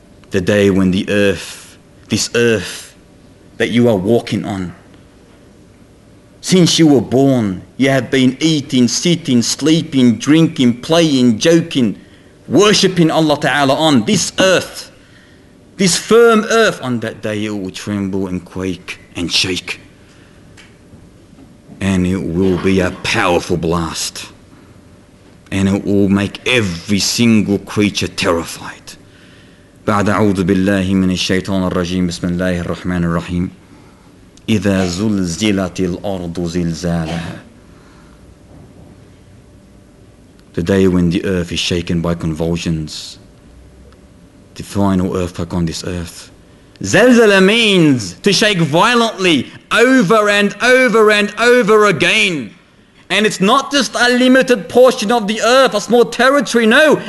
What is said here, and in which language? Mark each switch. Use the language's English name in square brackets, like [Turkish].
[English] The day when the earth, this earth that you are walking on, since you were born, you have been eating, sitting, sleeping, drinking, playing, joking, worshipping Allah Ta'ala on this earth, this firm earth, on that day it will tremble and quake and shake. And it will be a powerful blast. And it will make every single creature terrified. [Arabic] بعد أعوذ بالله من الشيطان الرجيم بسم الله الرحمن الرحيم إذا زلزلت الأرض زلزالها. [English] The day when the earth is shaken by convulsions. The final earthquake on this earth. Zelzala means to shake violently over and over and over again. And it's not just a limited portion of the earth, a small territory, no.